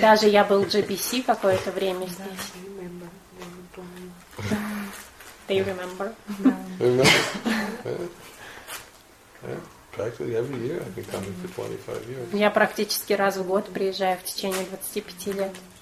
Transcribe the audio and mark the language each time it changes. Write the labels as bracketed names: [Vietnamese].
[Russian] Даже я был GBC какое-то время здесь. [English] They remember. Practically every year I've been coming for 25 years. [Russian] Я практически раз в год приезжаю в течение 25 лет.